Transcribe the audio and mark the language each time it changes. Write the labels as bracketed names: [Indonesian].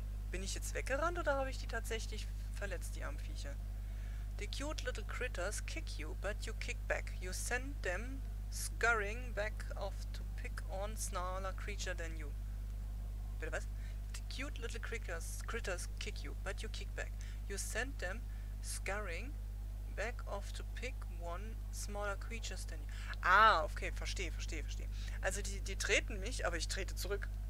[German] Bin ich jetzt weggerannt oder habe ich die tatsächlich verletzt, die Armviecher? [English] The cute little critters kick you, but you kick back. You send them scurrying back off to pick on smaller creature than you. [German] Bitte was? [English] The cute little critters kick you, but you kick back. You send them scurrying back off to pick one smaller creatures than you. [German] Ah, okay, verstehe. Also die treten mich, aber ich trete zurück.